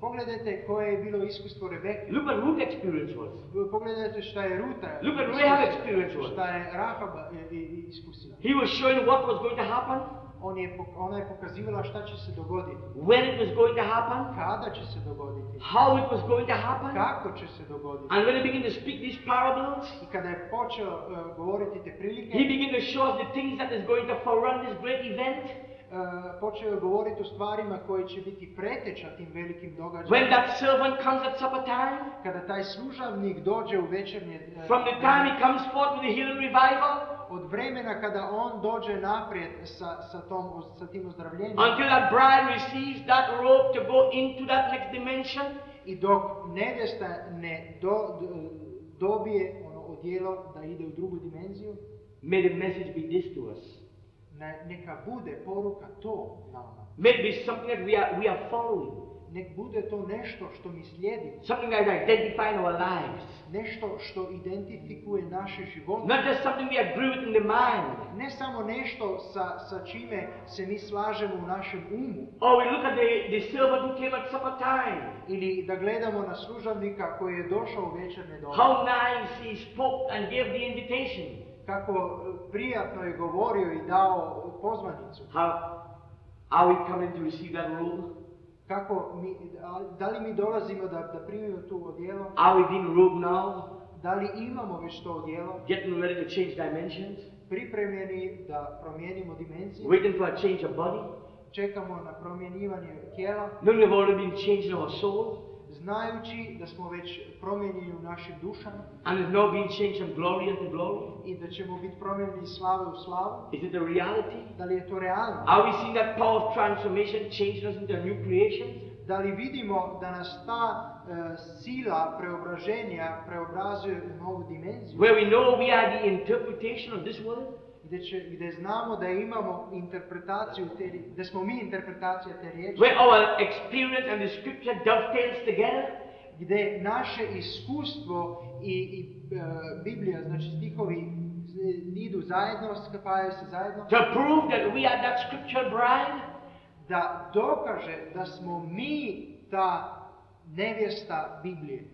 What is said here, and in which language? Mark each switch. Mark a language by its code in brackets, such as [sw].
[hr] Pogledajte koje je bilo iskustvo Rebeke. [en] Look what Ruth's experience was. [hr] Pogledajte šta je Ruta. [en] Look what Rahab's experience was. [hr] Šta je Rahab iskusila. [en] He was showing what was going to happen. [hr] Ona je pokazivala šta će se dogoditi. [en] When it was going to happen. [hr] Kada će se dogoditi. [en] How it was going to happen. [hr] Kako će se dogoditi. [en] And when he began to speak these parables. [hr] I kada je počeo govoriti te prilike. [en] He began to show us the things that is going to forerun this great event. [hr] Počeo je govoriti o stvarima koje će biti preteča tim velikim događajima. [en] When that servant comes at supper time. [hr] Kada taj služavnik dođe u večernje. [en] From the time he comes forth with the healing revival. [hr] Od vremena kada on dođe naprijed sa tim ozdravljenjem. [en] Until that bride receives that robe to go into that next dimension. [hr] I dok nevjesta ne dobije ono odjelo da ide u drugu dimenziju. [en] May the message be this to us. [hr] Neka bude poruka to nama. [en] May be something that we are following. [hr] Nek bude to nešto što mi slijedi. [en] Something that identifies our lives. [hr] Nešto što identifikuje naše živote. [en] Not just something we agree with in the mind. [hr] Ne samo nešto sa čime se mi slažemo u našem umu. [en] Oh, we look at the servant who came at supper time. [hr] Ili da gledamo na služavnika koji je došao u večernje doba. [en] How nice he spoke and gave the invitation. [hr] Kako prijatno je govorio i dao pozvanicu. [en] How we come in to receive that role? [hr] Kako mi, da li mi dolazimo da primimo tu odjelo? [en] Are we being robed now? [hr] Da li imamo već to odjelo? [en] Getting ready to change dimensions? [hr] Pripremljeni da promijenimo dimenziju? [en] Waiting for a change of body? [hr] Čekamo na promjenjivanje tijela? [en] Knowing we've already been changed in our soul? [hr] Znajući da smo već promijenili u našim dušama? [en] And we've now been changed from glory into glory? [hr] I da ćemo biti promijenili iz slave u slavu? [en] Is it a reality? [hr] Da li je to realno? [en] Are we seeing that power of transformation change us into a new creation? [hr] Da li vidimo da nas ta sila preobraženja preobrazuje u novu dimenziju? [en] Where we know we are the interpretation of this world? [hr] Gdje znamo da imamo interpretaciju te, da smo mi interpretacija te riječi. [en] Where our experience and the scripture dovetails together. [hr] Gdje naše iskustvo i Biblija, znači stihovi, idu zajedno, skapaju se zajedno. [en] To prove that we are that scripture bride. [hr] da dokaže da smo mi ta nevjesta Biblije.